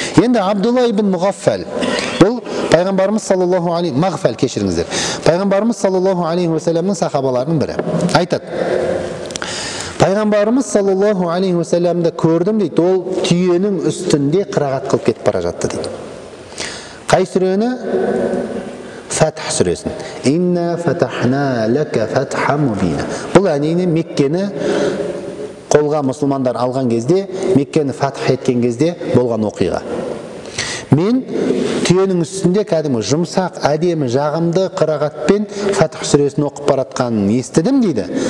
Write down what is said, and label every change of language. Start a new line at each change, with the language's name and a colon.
Kazakh: Енді Абдулла ибн Мұғаффал, бұл Пайғамбарымыз саллаллаху алейхи Мұғаффал кешіріңіздер. Пайғамбарымыз саллаллаху алейхи ва саллямның сахабаларының бірі. Айтады. Пайғамбарымыз саллаллаху алейхи ва саллямды көрдім дейді. Ол түйенің үстінде қырағат қылып кетіп бара жатты дейді. Қай сүрені? Фатх сүресін.
Arabic: Инна фатахна лака фатха мубина.
Kazakh: Бұл әнені Меккені қолға мұсылмандар алған кезде, Меккені фатх еткен кезде болған оқиға. Мен түйенің үстінде кәдімгі жұмсақ, әдемі, жағымды қырағатпен Фатх сүресін оқып баратқанын естідім дейді.